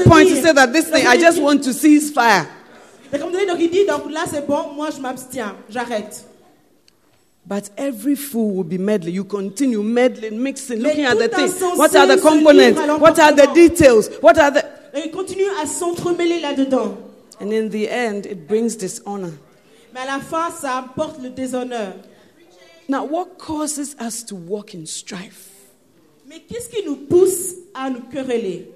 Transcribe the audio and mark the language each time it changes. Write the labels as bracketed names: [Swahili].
[English] At a point you say that this thing, I just want to cease fire. [French] C'est comme donc il dit, donc là c'est bon, moi je m'abstiens, j'arrête. [English] But every fool will be meddling. You continue meddling, mixing, looking at the things. What are the components? What are the details? What are the... [French] Et continue à s'entremêler là-dedans. [English] And in the end, it brings dishonor. [French] Mais à la fin, ça apporte le déshonneur. [English] Now, what causes us to walk in strife? [French] Mais qu'est-ce qui nous pousse à nous quereller?